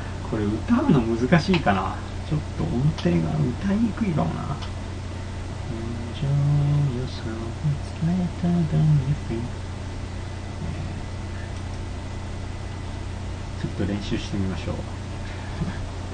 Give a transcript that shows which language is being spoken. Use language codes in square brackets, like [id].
[ja] これ歌うの難しいかな。ちょっと音程が歌いにくいかもな。 [en] Enjoy yourself, it's later than you think。 [ja] ちょっと練習してみましょう。